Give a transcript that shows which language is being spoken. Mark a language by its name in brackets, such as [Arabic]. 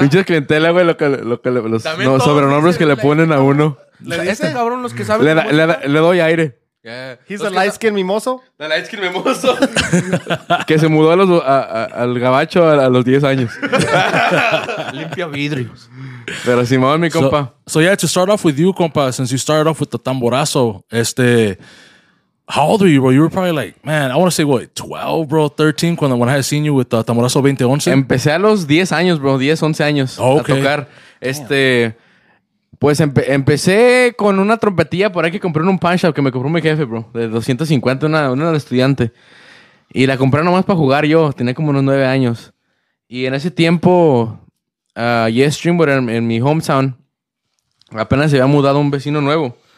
[Spanish] Pinche clientela, güey, los sobrenombres que le ponen a uno. Este cabrón, los que saben. Le doy aire. [English] Yeah. He's a light skin mimoso. The light skin mimoso. [Spanish] Que se mudó al gabacho a los 10 años. Limpia vidrios. Pero Simón, mi compa. [English] So yeah, to start off with you, compa, since you started off with the tamborazo, how old were you, bro? You were probably like, man, I want to say what, 12, bro, 13, when I had seen you with the tamborazo 2011. [Spanish] Empecé a los 10 años, bro, 10, 11 años. [English] Oh, okay. [Spanish] A tocar. Pues empecé con una trompetilla por ahí que compré en un punch-up que me compró mi jefe, bro. De 250, una de estudiante. Y la compré nomás para jugar yo. Tenía como unos 9 años. Y en ese tiempo, Yes Streamboard en mi hometown, apenas se había mudado un vecino nuevo.